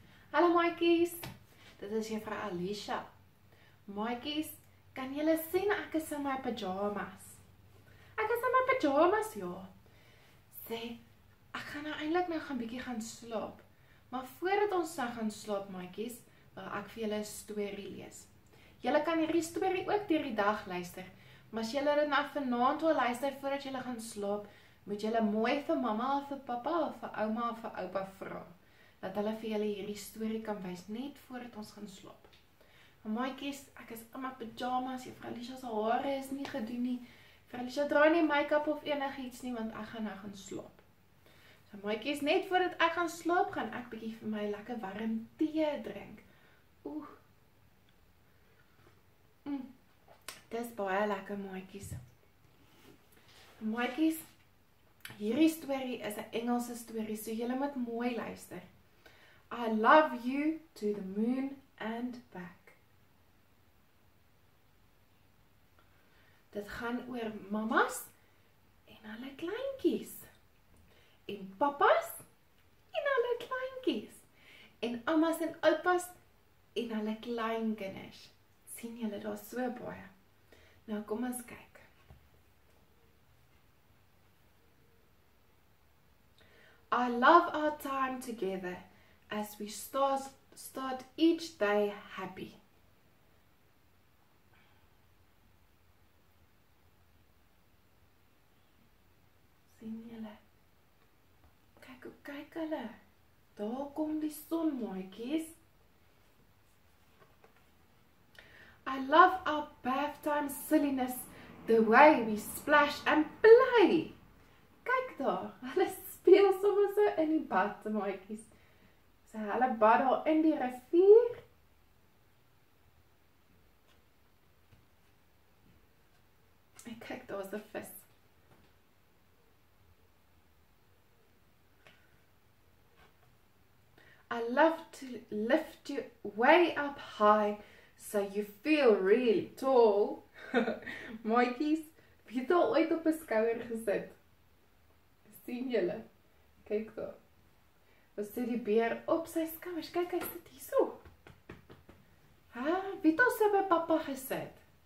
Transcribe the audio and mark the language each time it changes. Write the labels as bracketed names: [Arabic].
[Afrikaans] Hallo maatjies. Dit is juffrou Alicia. Maatjies, kan julle sien ek is in my pyjamas? Ek is in my pyjamas, ja. Sê, ek gaan nou eindelijk nou gaan bietjie gaan slaap. Maar voordat ons nou gaan slaap, maatjies, wil ek vir julle 'n storie lees. Julle kan hierdie storie ook deur die dag luister. Maar as julle dit nou vanaand wil luister voordat julle gaan slaap, moet julle mooi vir mamma of vir papa of vir ouma of vir oupa vra dat hulle vir julle hierdie storie kan wys net voordat ons gaan slaap. Maar maatjies, ek is in my pyjamas. Juffrou Alicia se hare is nie gedoen nie. Juffrou Alicia dra nie make-up of enigiets nie, want ek gaan nou gaan slaap. So maatjies, net voordat ek gaan slaap, gaan ek bietjie vir my lekker warm tee drink. Oeh. Dit is baie lekker, maatjies. Maatjies, hierdie story is 'n Engelse story, so julle moet mooi luister. [English] I love you to the moon and back. [Afrikaans] Dit gaan oor mamas en hulle kleintjies. En papas en hulle kleintjies. En ammas en oupas en hulle kleinkinders. Sien julle, daar is so baie. Nou kom ons kyk. [English] I love our time together as we start each day happy. [Afrikaans] Sien julle? Kyk hoe kyk hulle. Daar kom die son, maatjies. [English] I love our bath time silliness, the way we splash and play. [Afrikaans] Kyk daar, hulle speel sommer so in die bad, maatjies. So hulle bad al in die rivier. En kyk, daar is 'n vis. [English] I love to lift you way up high, so you feel really tall. [Afrikaans] Maatjies, wie het al ooit op 'n skouer gesit? Sien julle? Kyk daar. Wat sit die beer op sy skouers? Kyk, hy sit hier so. Ha, wie het al so by papa gesit?